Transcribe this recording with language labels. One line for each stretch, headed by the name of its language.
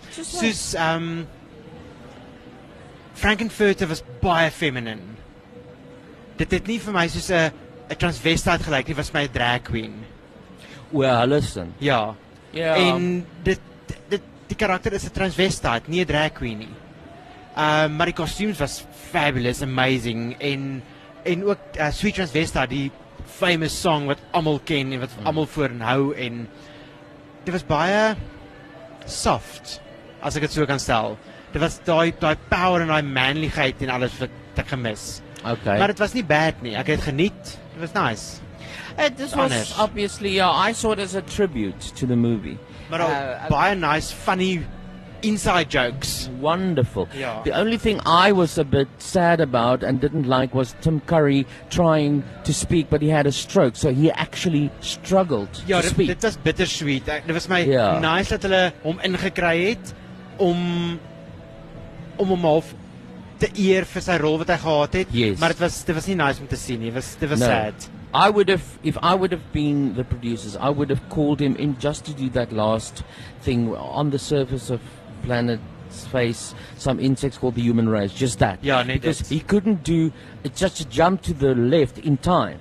Afrikaans: Soos Frankenfurter was baie feminine. Dit het nie vir my soos 'n transvestite gelyk nie, was my drag queen.
English: Well, listen.
Afrikaans: Ja. Ja. Yeah. En die karakter is 'n transvestite, nie 'n drag queen nie. Maar die kostuums was fabulous, amazing en ook Sweet Transvestite, die famous song wat almal ken en wat almal voor en hou, en dit was baie soft, as ek dit so kan stel. Dit was daai power en daai manlikheid en alles wat ek gemis. Okay. Maar dit was nie bad nie. Ek het geniet. Dit was nice.
English: Hey, this was honest. Obviously, I saw it as a tribute to the movie.
Afrikaans: But baie nice, funny inside jokes.
English: Wonderful. Yeah. The only thing I was a bit sad about and didn't like was Tim Curry trying to speak, but he had a stroke, so he actually struggled to speak.
Afrikaans: Dit was bittersweet. Dit was my nice dat hulle hom ingekry het om hom half te eer vir sy rol wat hy gehad het.
English: Yes.
Afrikaans: Maar dit was nie nice om te sien nie. Dit was sad.
English: If I would have been the producers, I would have called him in just to do that last thing on the surface of planet's face, some insects called the human race, just that. Yeah, because he couldn't do, it's just a jump to the left in time.